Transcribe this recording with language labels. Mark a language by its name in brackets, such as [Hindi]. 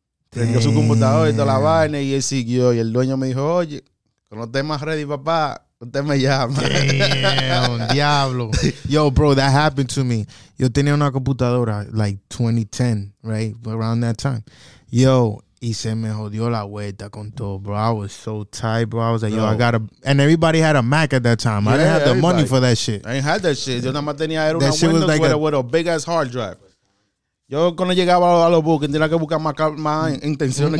[Spanish] Prendió su computador y toda la vaina y él siguió. Y el dueño me dijo, oye, cuando estés más ready, papá, usted me llama. [English] Damn, diablo. Yo, bro, that happened to me. [Spanish] Yo tenía una computadora, [English] like 2010, right? Around that time. [Spanish] Yo, y se me jodió la vuelta con todo, bro. [English] I was so tight, bro. I was like, yo, and everybody had a Mac at that time. Yeah, I didn't have the money for that shit. I ain't had that shit. [Spanish] Yo nada más tenía era una Windows [English] like with a big-ass hard drive. [Spanish] Yo cuando llegaba a los buques tenía que buscar más intenciones